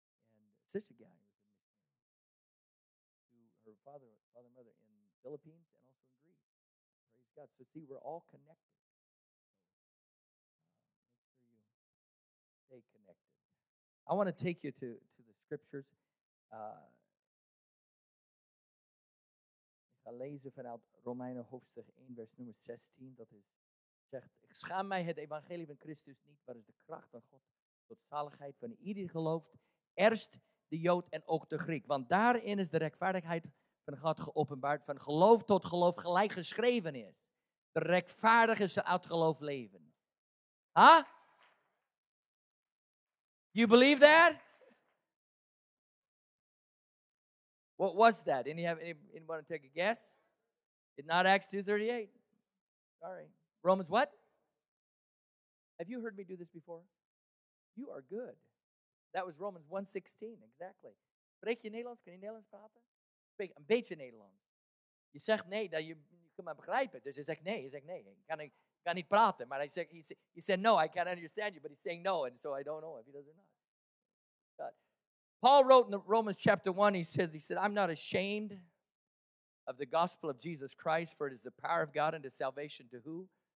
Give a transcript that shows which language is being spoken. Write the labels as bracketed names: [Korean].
[English] And Sister Gallion is a missionary to her father and mother in the Philippines and also in Greece. Praise God! So see, we're all connected. Stay connected. I want to take you to the scriptures. [Dutch] Ik ga lezen vanuit Romeinen hoofdstuk 1, vers nummer 16. Dat is, zegt, ik schaam mij het evangelie van Christus niet, maar is de kracht van God tot zaligheid van ieder die gelooft, eerst de Jood en ook de Griek. Want daarin is de rechtvaardigheid van God geopenbaard, van geloof tot geloof gelijk geschreven is. De rechtvaardige zal uit geloof leven. Ha? Huh? [English] You believe that? What was that? Anyone want to take a guess? It's not Acts 2:38. Sorry. Romans what? Have you heard me do this before? You are good. That was Romans 1:16, exactly. [Dutch] Spreek je Nederlands? Kun je Nederlands praten? Spreek een beetje Nederlands. Je zegt nee, dan je kunt maar begrijpen. Dus hij zegt nee, je zegt nee. Kan niet praten, maar [English] he said no, I can't understand you, but he's saying no, and so I don't know if he does or not. But Paul wrote in Romans chapter 1, he said, I'm not ashamed of the gospel of Jesus Christ, for it is the power of God unto salvation to who?